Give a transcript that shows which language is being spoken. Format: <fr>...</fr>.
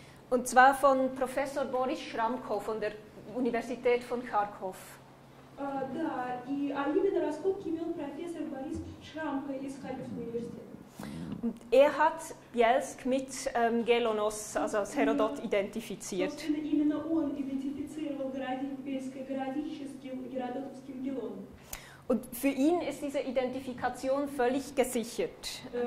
<de>Und zwar von Professor Boris Schramko von der Universität von Kharkov.</de> <ru>Да, и именно раскопки имел профессор Борис Шрамко из Харьковского университета.</ru> <de>Und hat Bielsk mit Gelonos, also als Herodot, identifiziert.</de> <ru>Именно он идентифицировал городище с Геродотовским Гелоном.</ru> <de>Und für ihn ist diese Identifikation völlig gesichert.</de>